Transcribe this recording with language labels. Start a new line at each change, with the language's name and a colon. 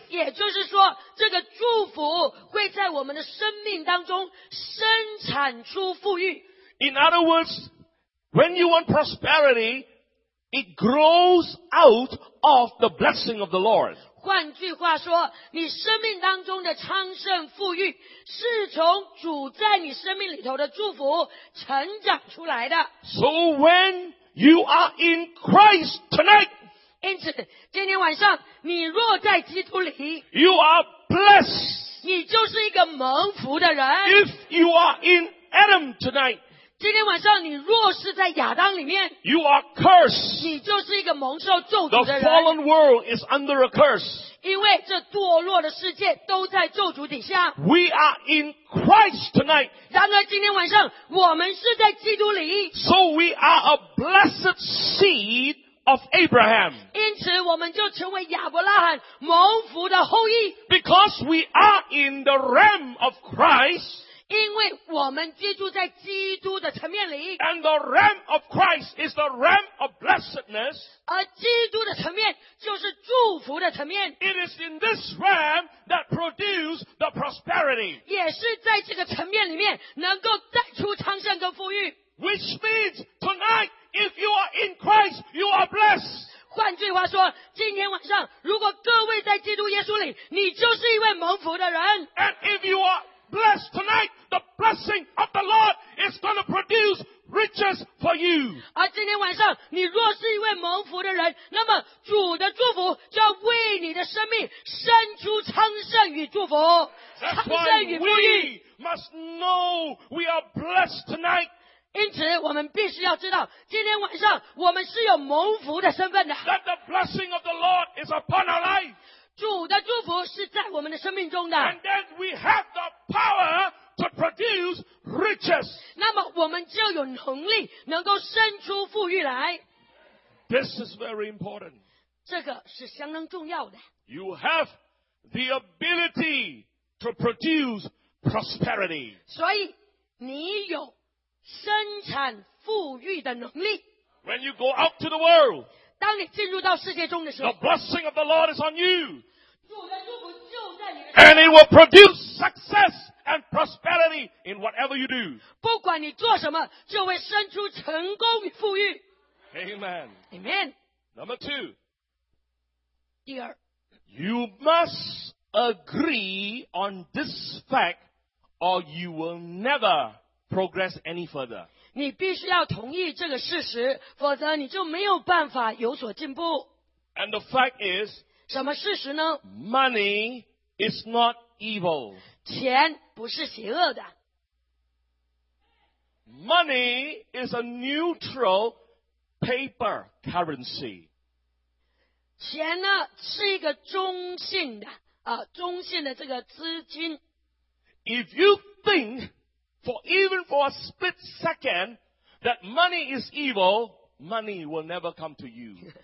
Chinese: 也就是说这个祝福会在我们的生命当中生产出富裕。
English: In other words, when you want prosperity, it grows out of the blessing of the Lord.
Chinese: 换句话说你生命当中的昌盛富裕是从主在你生命里头的祝福成长出来的。
English: So whenYou are in Christ tonight.
Chinese: 因此今天晚上你若在基督里，
English: You are blessed.
Chinese: 你就是一个蒙福的人。
English: If you are in Adam tonight.
Chinese: 今天晚上你若是在亚当里面，
English: You are cursed.
Chinese: 你就是一个蒙受咒诅的人。
English: The fallen world is under a curse.
Chinese: 因为这堕落的世界都在咒诅底下。
English: We are in Christ tonight.
Chinese: 然而今天晚上我们是在基督里。
English: So we are a blessed seed of Abraham.
Chinese: 因此我们就成为亚伯拉罕蒙福的后裔。
English: Because we are in the realm of Christ.
Chinese: 因为我们居住在基督的层面里。
English: And the realm of Christ is the realm of blessedness.
Chinese: 而基督的层面就是祝福的层面。
English: It is in this realm that produces the prosperity.
Chinese: 也是在这个层面里面能够带出昌盛跟富裕。
English: Which means tonight, if you are in Christ, you are blessed.
Chinese: 换句话说，今天晚上如果各位在基督耶稣里，你就是一位蒙福的人。
English: And if you areBlessed tonight, the blessing of the Lord is going to produce riches for you.
Chinese: 而今天晚上，你若是一位蒙福的人，那么主的祝福就要为你的生命生出昌盛与祝福，昌盛与富裕。
English: That's why we must know we are blessed tonight.
Chinese: 因此，我们必须要知道，今天晚上我们是有蒙福的身份的。
English: That the blessing of the Lord is upon our life.
Chinese: 主的祝福是在我们的生命中的。
English: And then we have the power to produce riches.
Chinese: 那么我们就有能力能够生出富裕来。
English: This is very important.
Chinese: 这个是相当重要的。
English: You have the ability to produce prosperity.
Chinese: 所以你有生产富裕的能力。
English: When you go out to the world,
Chinese: 当你进入到世界中的时候，
English: The blessing of the Lord is on you.
Chinese: 主的祝福就在你的身上。
English: And it will produce success and prosperity in whatever you do.
Chinese: 不管你做什么，就会生出成功与富裕。
English: Amen. Amen. Number two.
Chinese: 第二。
English: You must agree on this fact, or you will never progress any further.
Chinese: 你必须要同意这个事实，否则你就没有办法有所进步。
English: And the fact is,
Chinese: 什么事实呢？
English: Money is not evil.
Chinese: 钱不是邪恶的。
English: Money is a neutral paper currency.
Chinese: 钱呢，是一个中性的，中性的这个资金。
English: If you think for even for a split second that money is evil, money will never come to you.